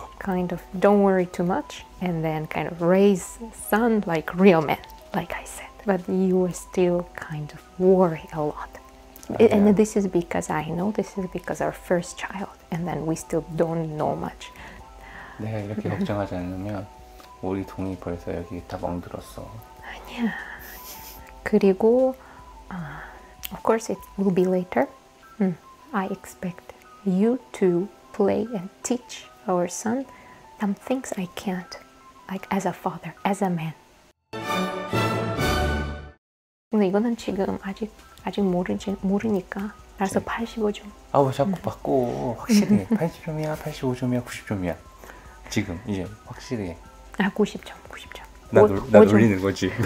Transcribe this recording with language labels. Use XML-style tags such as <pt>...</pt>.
<en>Kind of don't worry too much and then kind of raise son like real man, like I said. But you were still kind of worry a lot. And this is because I know this is because our first child. And then we still don't know much.</en> <ko>내가 이렇게 걱정하지 않으면 우리 동이 벌써 여기 다 멍들었어. 아니야. 그리고</ko> <en>of course it will be later. I expect you to play and teach our son some things I can't. Like as a father, as a man.</en> <ko>근데 이거는 지금 아직 모르니까 알아서 85점. 아우, 자꾸 바꿔. 확실히 80점이야, 85점이야, 90점이야. 지금 이제 확실히. 아, 90점. 90점. 놀리는 거지.</ko>